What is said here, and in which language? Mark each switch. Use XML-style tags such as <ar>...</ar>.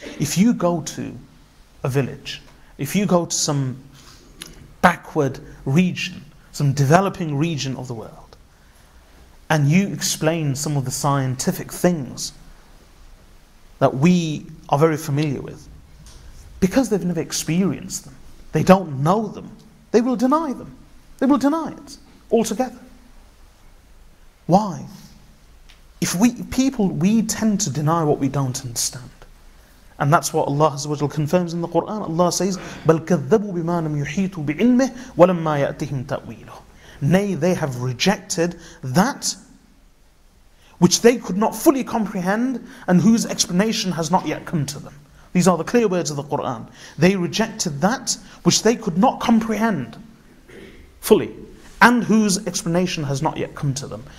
<en>If you go to a village, if you go to some backward region, some developing region of the world, and you explain some of the scientific things that we are very familiar with, because they've never experienced them, they don't know them, they will deny them. They will deny it altogether. Why? If we tend to deny what we don't understand. And that's what Allah confirms in the Qur'an. Allah says,</en> <ar>بَلْ كَذَّبُوا بِمَا لَمْ يُحِيطُوا بِعِلْمِهِ وَلَمَّا يَأْتِهِمْ تَأْوِيلُهُ.</ar> <en>Nay, they have rejected that which they could not fully comprehend and whose explanation has not yet come to them. These are the clear words of the Qur'an. They rejected that which they could not comprehend fully and whose explanation has not yet come to them.</en>